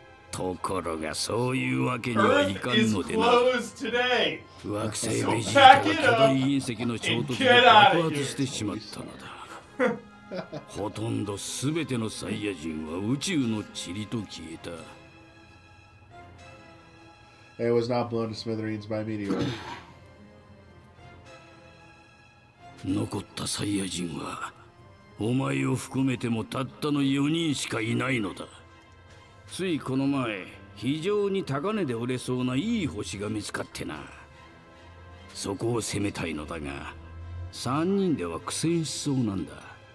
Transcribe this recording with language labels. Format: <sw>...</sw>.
<ja>ところがそういうわけにはいかんのでな。惑星ベジータは巨大隕石の衝突で爆発してしまったのだ。ほとんど全てのサイヤ人は宇宙の塵と消えた。</ja> <en>It was not blown to smithereens by a meteor.</en> <ja>残ったサイヤ人はお前を含めてもたったの4人しかいないのだ。ついこの前、非常に高値で売れそうないい星が見つかってな。そこを攻めたいのだが、3人では苦戦しそうなんだ。</ja>